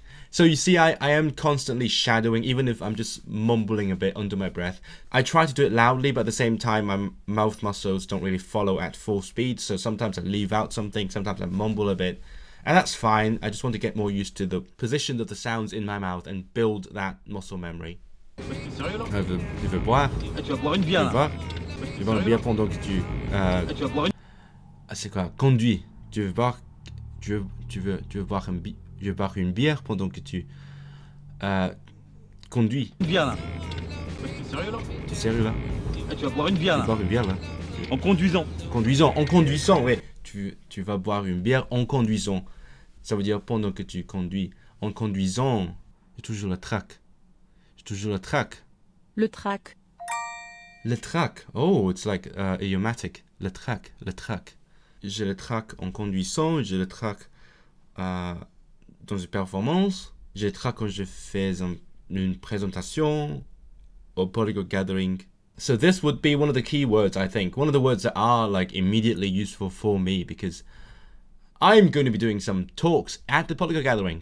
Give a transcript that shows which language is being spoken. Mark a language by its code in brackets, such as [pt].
[en] So you see, I am constantly shadowing, even if I'm just mumbling a bit under my breath. I try to do it loudly, but at the same time, my mouth muscles don't really follow at full speed. So sometimes I leave out something, sometimes I mumble a bit, and that's fine. I just want to get more used to the position of the sounds in my mouth and build that muscle memory. [fr] Tu veux boire? Tu vas boire une bière? Tu veux boire une bière pendant que tu... Tu vas boire une... Ah, c'est quoi? Conduis. Tu veux boire une bière? Je vais boire une bière pendant que tu conduis. Une bière là. Tu es sérieux là? Tu vas boire une bière là. Tu vas boire une bière là. En conduisant, oui. Tu vas boire une bière en conduisant. Ça veut dire pendant que tu conduis. En conduisant, j'ai toujours le trac. Le trac. [en] Oh, it's like idiomatic. [fr] Le trac. J'ai le trac en conduisant, j'ai le trac. Dans une performance, j'ai le trac quand je fais une présentation au polyglot gathering. [en] So this would be one of the key words, I think. One of the words that are like immediately useful for me, because I'm going to be doing some talks at the polyglot gathering.